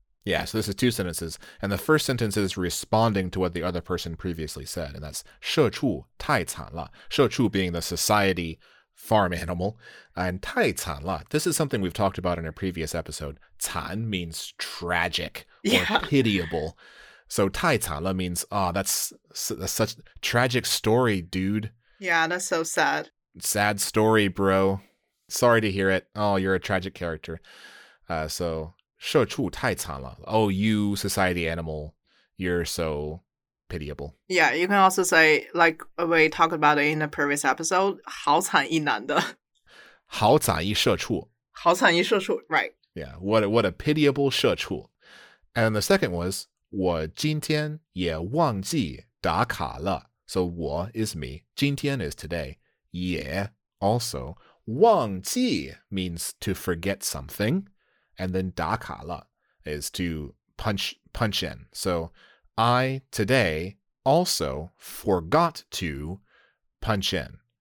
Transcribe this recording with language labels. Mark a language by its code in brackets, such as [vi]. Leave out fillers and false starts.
[en] Yeah, so this is two sentences. And the first sentence is responding to what the other person previously said. And that's [zh] 社畜太惨了. [en] 社畜 being the society farm animal. And [zh] 太惨了, [en] this is something we've talked about in a previous episode. 惨 means tragic or pitiable. So [zh] 太惨了 [en] means, oh, that's such a tragic story, dude. Yeah, that's so sad. Sad story, bro. Sorry to hear it. Oh, you're a tragic character. [zh] So, 社畜太惨了. [en] Oh, you society animal, you're so pitiable. Yeah, you can also say, like we talked about it in the previous episode, [zh] 好惨一男的. 好惨一社畜. 好惨一社畜, [en] right. Yeah, what a pitiable 社畜. And the second was, [zh] 我今天也忘记打卡了. [en] So, 我 is me. 今天 is today. 也 also. 忘记 means to forget something, and then [zh] 打卡了 [en] is to punch in. So I today also forgot to punch in.